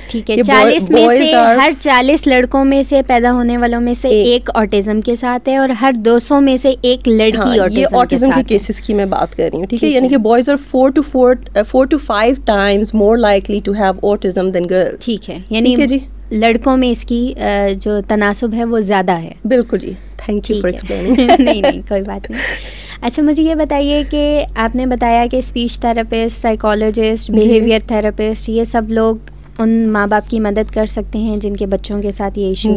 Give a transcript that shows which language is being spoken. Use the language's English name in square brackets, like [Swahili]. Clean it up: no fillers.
[Urdu] ٹھیک ہے, 40 میں سے ہر 40 لڑکوں میں سے پیدا ہونے والوں میں سے ایک آٹزم کے ساتھ ہے, اور ہر 200 میں سے ایک لڑکی آٹزم کے ساتھ. یہ آٹزم کے کیسز کی میں بات کر رہی ہوں. ٹھیک ہے, یعنی کہ [English] Boys are 4 to 5 times more likely to have autism than girls. [Urdu] ٹھیک ہے, یعنی لڑکوں میں اس کی جو تناسب ہے وہ زیادہ ہے. بالکل جی, [English] Thank you for explaining. [Urdu] نہیں نہیں کوئی بات نہیں. اچھا مجھے یہ بتائیے کہ آپ نے بتایا کہ speech therapist, psychologist, behaviour therapist, یہ سب لوگ ان ماں باپ کی مدد کر سکتے ہیں جن کے بچوں کے ساتھ یہ ایشو ہے.